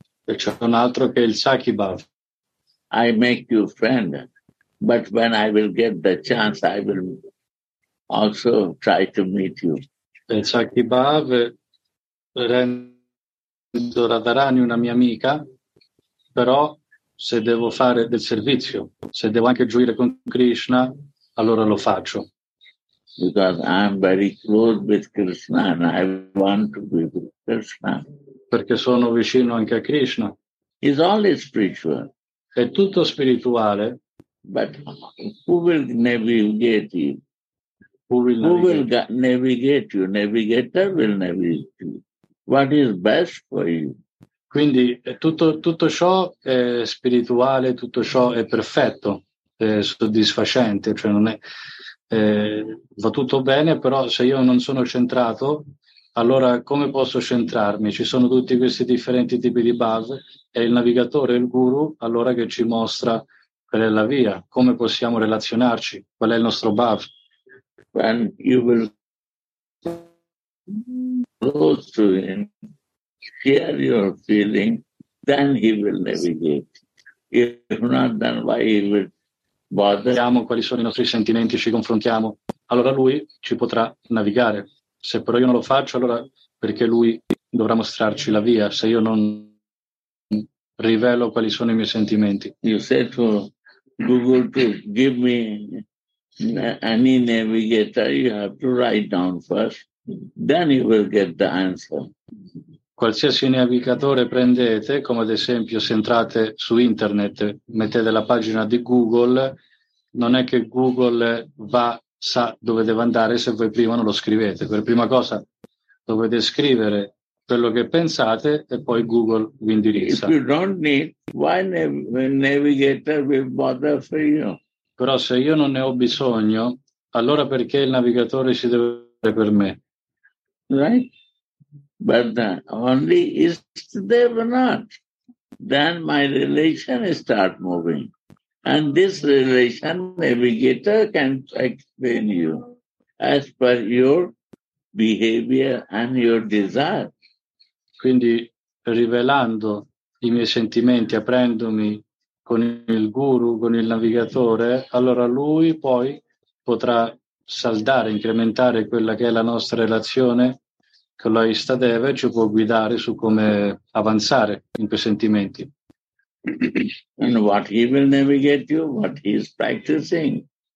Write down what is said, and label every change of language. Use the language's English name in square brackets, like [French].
[Italian] E c'è un altro che è il Sakhi Bhav. [English] I make you friend, but when I will get the chance, I will also try to meet you. [Italian] Il Sakhi Bhav rendo Radharani una mia amica, però se devo fare del servizio, se devo anche gioire con Krishna, allora lo faccio. [English] Because I'm very close with Krishna and I want to be with Krishna. [Italian] Perché sono vicino anche a Krishna. [English] It's only spiritual. [Italian] È tutto spirituale. [English] But who will navigate you? Who will navigate you? Navigator will navigate you. What is best for you? [Italian] Quindi tutto ciò è spirituale, tutto ciò è perfetto, è soddisfacente. Cioè non è, va tutto bene, però se io non sono centrato, allora, come posso centrarmi? Ci sono tutti questi differenti tipi di base. È il navigatore, il guru, allora che ci mostra qual è la via, come possiamo relazionarci, qual è il nostro bhav. [English] When you will close to him, share your feeling, then he will navigate. If not, then why he will bother? [Italian] Vediamo quali sono i nostri sentimenti, ci confrontiamo. Allora lui ci potrà navigare. Se però io non lo faccio, allora perché lui dovrà mostrarci la via, se io non rivelo quali sono i miei sentimenti. [English] You said to Google to give me any navigator, you have to write down first, then you will get the answer. [Italian] Qualsiasi navigatore prendete, come ad esempio se entrate su internet, mettete la pagina di Google, non è che Google va, sa dove deve andare se voi prima non lo scrivete. Per prima cosa dovete scrivere quello che pensate e poi Google vi indirizza. [English] If you don't need, why navigator will bother for you? [Italian] Però se io non ne ho bisogno, allora perché il navigatore si deve fare per me? [English] Right? But then only is there not, then my relation start moving. And this relation navigator can explain you as per your behavior and your desire. [Italian] Quindi rivelando i miei sentimenti, aprendomi con il guru, con il navigatore, allora lui poi potrà saldare, incrementare quella che è la nostra relazione con la Ishtadeva, ci può guidare su come avanzare in quei sentimenti. [English] And what he will navigate you, what he is practicing.